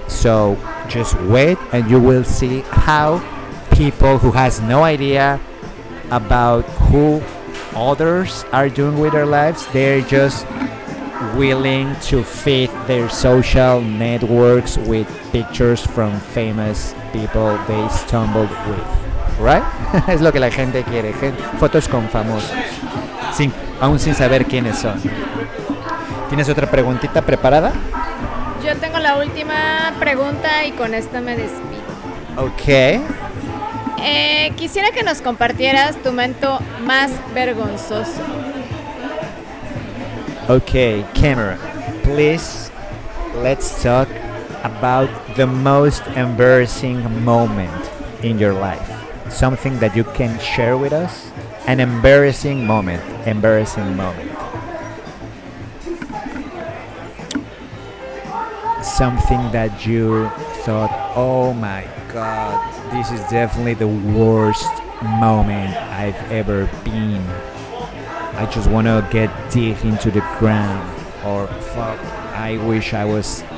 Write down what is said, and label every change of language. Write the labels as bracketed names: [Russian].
[English] So just wait and you will see how people who has no idea about who others are doing with their lives, they're just willing to feed their social networks with pictures from famous people they stumbled with. Right? [Spanish] Es lo que la gente quiere, fotos con famosos, aún sin saber quiénes son. ¿Tienes otra preguntita preparada? Yo tengo la última pregunta y con esta me despido. Ok. Quisiera que nos compartieras tu momento más vergonzoso. [English] Ok, Camera, please, let's talk about the most embarrassing moment in your life. Something that you can share with us, an embarrassing moment, something that you thought, oh my god, this is definitely the worst moment I've ever been, I just want to get deep into the ground, or fuck, I wish I was